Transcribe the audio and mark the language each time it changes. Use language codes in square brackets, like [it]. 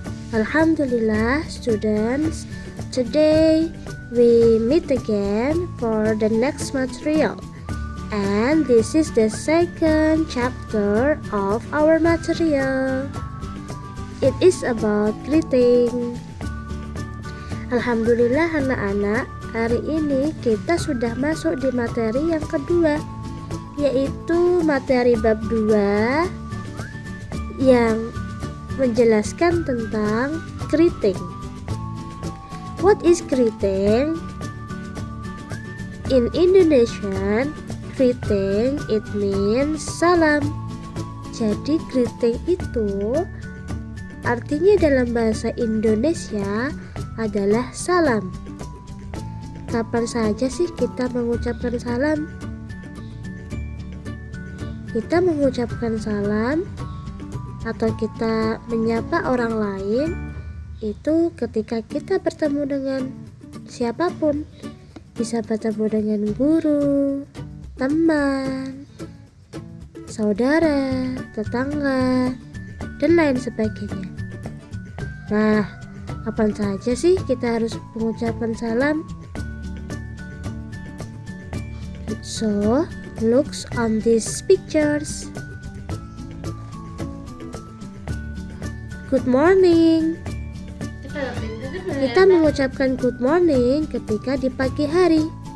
[en] Alhamdulillah, students, today we meet again for the next material. And this is the second chapter of our material. It is about greeting. [id] Alhamdulillah anak-anak, hari ini kita sudah masuk di materi yang kedua, yaitu materi bab 2 yang menjelaskan tentang greeting. [en] What is greeting? In Indonesian, greeting it means salam. [id] Jadi greeting itu artinya dalam bahasa Indonesia adalah salam. Kapan saja sih kita mengucapkan salam? Kita mengucapkan salam atau kita menyapa orang lain itu ketika kita bertemu dengan siapapun. Bisa bertemu dengan guru, teman, saudara, tetangga, dan lain sebagainya. Nah, kapan saja sih kita harus mengucapkan salam? [en] So, look on these pictures. Good morning. [id] Kita mengucapkan good morning ketika di pagi hari.